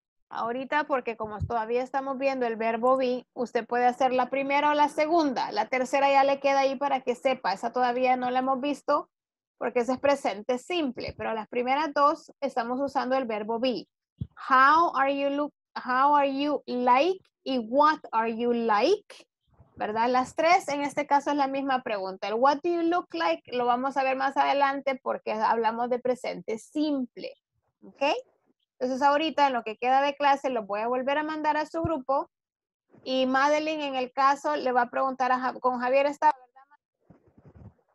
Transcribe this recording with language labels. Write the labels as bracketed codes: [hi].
[es] Ahorita, porque como todavía estamos viendo el verbo be, usted puede hacer la primera o la segunda. La tercera ya le queda ahí para que sepa. Esa todavía no la hemos visto porque ese es presente simple. Pero las primeras dos estamos usando el verbo be. [en] how are you look, how are you like y what are you like, [es] ¿verdad? Las tres en este caso es la misma pregunta. El [en] what do you look like [es] lo vamos a ver más adelante porque hablamos de presente simple, ¿ok? Entonces ahorita en lo que queda de clase lo voy a volver a mandar a su grupo y Madeline en el caso le va a preguntar a con Javier estaba, ¿verdad?